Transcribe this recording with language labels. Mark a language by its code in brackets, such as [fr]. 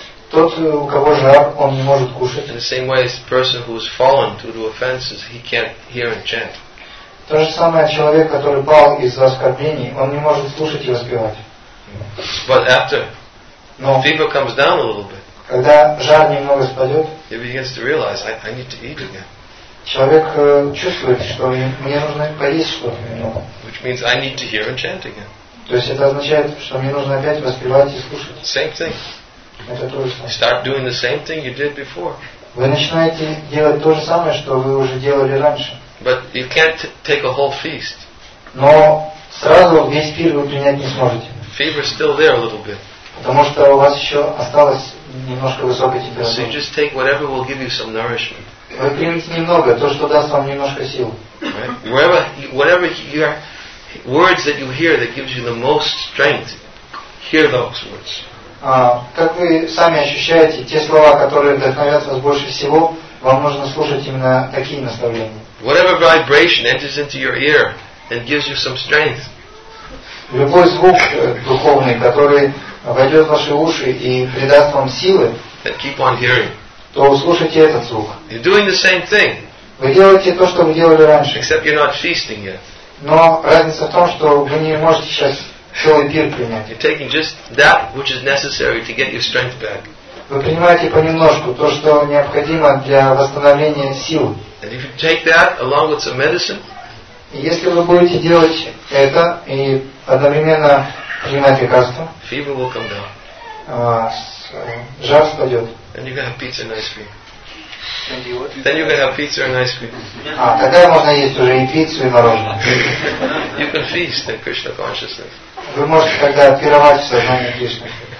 [ru] Тот, у кого жар, он не может кушать. [en] In the same way, the person who has fallen due to offenses, he can't hear and chant. [ru] То же самое человек, который пал из-за оскорблений, он не может слушать и воспевать. [en] But after. [ru] Но [en] the fever comes down a little bit. [ru] Когда жар немного спадет, [en] he begins to realize, I need to eat again. [ru] Человек чувствует, что мне нужно поесть что-то немного. [en] Which means I need to hear and chant again. [ru] То есть это означает, что мне нужно опять воспевать и слушать. [en] Same thing. [ru] Это то же самое. [en] You start doing the same thing you did before. [ru] Вы начинаете делать то же самое, что вы уже делали раньше. [en] But you can't take a whole feast. [ru] Но сразу весь пир вы принять не сможете. [en] Fever still there a little bit. [ru] Потому что у вас еще осталось немножко высокой температуры. [en] So you just take whatever will give you some nourishment. [ru] Вы примите немного, то, что даст вам немножко сил. [en] Whatever your words that you hear that gives you the most strength, hear those words. [ru] Как вы сами ощущаете, те слова, которые вдохновят вас больше всего, вам нужно слушать именно такие наставления. [en] Whatever vibration enters into your ear and gives you some strength. [ru] Любой звук духовный, который войдет в ваши уши и придаст вам силы, [en] keep on hearing, [ru] то услышите этот звук. [en] You're doing the same thing, [ru] вы делаете то, что вы делали раньше. [en] Except you're not feasting yet. [ru] Но разница в том, что вы не можете сейчас целый пир принять. [en] You're taking just that which is necessary to get your strength back. [ru] Вы принимаете понемножку то, что необходимо для восстановления сил. [en] And if you take that along with some medicine, [ru] если вы будете делать это и одновременно принимать лекарство, [en] fever will come down. [ru] Жар спадет. [en] Then you can have pizza and ice cream. Then you can have pizza and ice cream. [ru] Тогда можно есть уже и пиццу, и мороженое. [en] You can feast in Krishna consciousness. [ru] Вы можете тогда пировать в сознании Кришны.